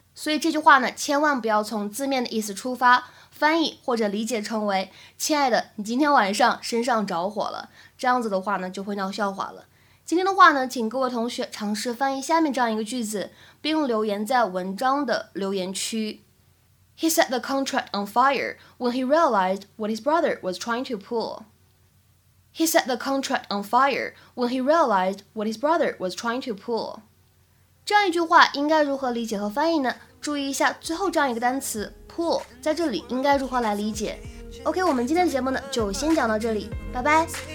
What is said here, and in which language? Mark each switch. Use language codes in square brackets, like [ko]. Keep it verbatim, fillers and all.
[zh] 所以这句话呢，千万不要从字面的意思出发，翻译或者理解成为“亲爱的，你今天晚上身上着火了”，这样子的话呢，就会闹笑话了。今天的话呢，请各位同学尝试翻译下面这样一个句子，并留言在文章的留言区。 [en] He set the contract on fire when he realized what his brother was trying to pull. He set the contract on fire when he realized what his brother was trying to pull. [zh] 这样一句话应该如何理解和翻译呢？注意一下最后这样一个单词 pull 在这里应该如何来理解。 OK， 我们今天的节目呢就先讲到这里，拜拜。